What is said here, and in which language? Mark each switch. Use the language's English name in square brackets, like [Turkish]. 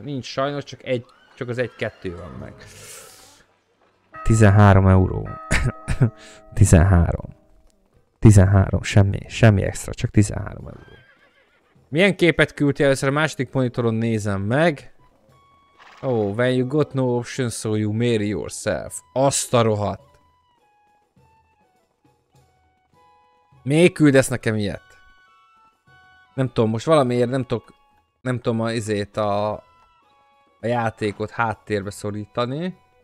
[Hungarian] Nincs sajnos, csak egy, csak az egy-kettő van meg. 13 euró. 13. 13, semmi, semmi extra, csak 13 euró. Milyen képet küldtél először a második monitoron nézem meg? [English] Oh, when you got no options, so you marry yourself. [Hungarian] Azt a rohadt. Még küldesz nekem ilyet? Nem tudom, most valamiért nem tudok, nem tudom azért a játékot háttérbe szorítani.